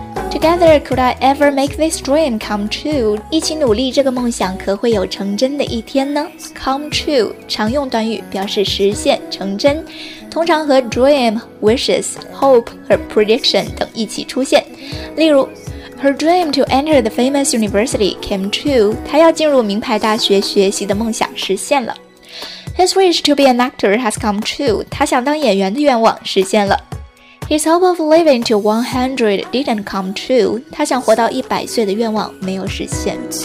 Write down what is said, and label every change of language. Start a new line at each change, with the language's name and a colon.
English: Together, could I ever make this dream come true?
Chinese: 一起努力，这个梦想可会有成真的一天呢？ Come true, 常用短语表示实现、成真，通常和
English: dream, wishes, hope, or prediction
Chinese: 等一起出现。
English: 例如 Her dream to enter the famous university came true.
Chinese: 她要进入名牌大学学习的梦想实现了。
English: His wish to be an actor has come true.
Chinese: 她想当演员的愿望实现了。
English: His hope of living to 100 didn't come true.
Chinese: 他想活到100岁的愿望没有实现。